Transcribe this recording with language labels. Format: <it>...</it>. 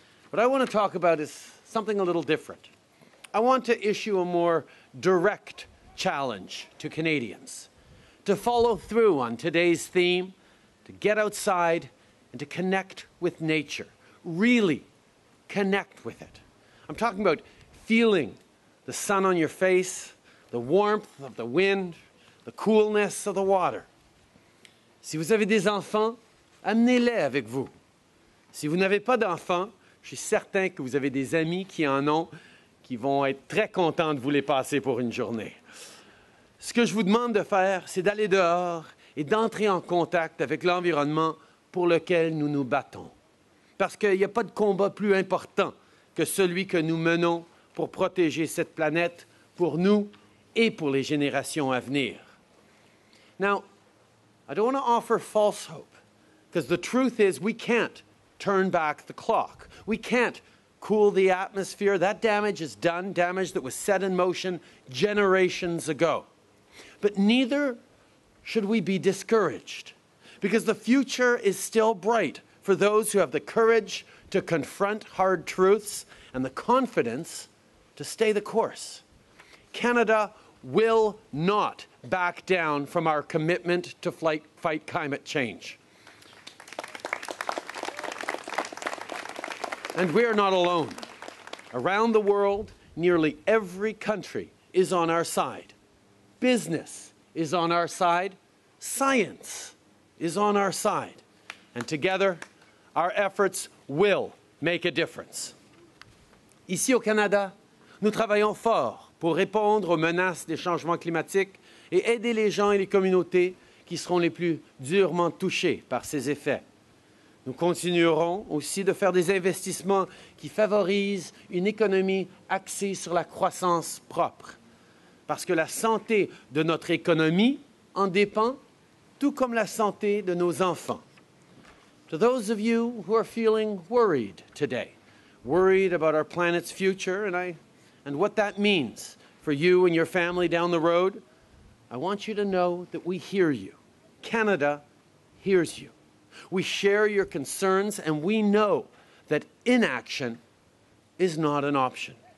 <en>What I want to talk about is something a little different. I want to issue a more direct challenge to Canadians to follow through on today's theme, to get outside and to connect with nature, really connect with it. I'm talking about feeling the sun on your face, the warmth of the wind, the coolness of the water.</en> <fr>Si vous avez des enfants, amenez-les avec vous. Si vous n'avez pas d'enfants, je suis certain que vous avez des amis qui en ont qui vont être très contents de vous les passer pour une journée. Ce que je vous demande de faire, c'est d'aller dehors et d'entrer en contact avec l'environnement pour lequel nous nous battons. Parce qu'il n'y a pas de combat plus important que celui que nous menons pour protéger cette planète, pour nous et pour les générations à venir.</fr> <en>Now, I don't want to offer false hope, because the truth is we can't turn back the clock. We can't cool the atmosphere. That damage is done, damage that was set in motion generations ago. But neither should we be discouraged, because the future is still bright for those who have the courage to confront hard truths and the confidence to stay the course. Canada will not back down from our commitment to fight climate change. And we are not alone. Around the world, nearly every country is on our side. Business is on our side. Science is on our side. And together, our efforts will make a difference.</en> <fr>Ici au Canada, nous travaillons fort pour répondre aux menaces des changements climatiques et aider les gens et les communautés qui seront les plus durement touchés par ces effets. Nous continuerons aussi de faire des investissements qui favorisent une économie axée sur la croissance propre, parce que la santé de notre économie en dépend, tout comme la santé de nos enfants.</fr> <en>To those of you who are feeling worried today, worried about our planet's future and what that means for you and your family down the road, I want you to know that we hear you. Canada hears you. We share your concerns, and we know that inaction is not an option.</en>